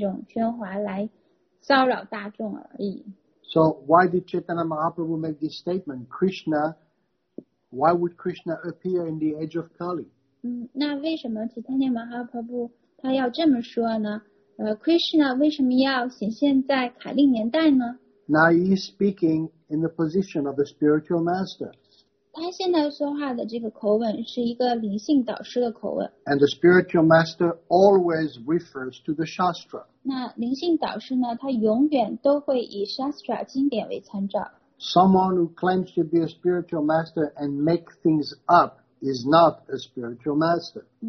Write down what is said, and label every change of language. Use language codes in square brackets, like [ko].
[zh] 那些愚人只会制造这种喧哗来骚扰大众而已。 [en] So why did Chaitanya Mahaprabhu make this statement? Why would Krishna appear in the age of Kali? [zh] 那为什么Chaitanya Mahaprabhu他要这么说呢？ Krishna 为什么要显现在卡利年代呢？ [en] Now he is speaking in the position of a spiritual master. [zh] 他现在说话的这个口吻是一个灵性导师的口吻。 [en] And the spiritual master always refers to the Shastra. [zh] 那灵性导师呢，他永远都会以Shastra经典为参照。 [en] Someone who claims to be a spiritual master and make things up is not a spiritual master.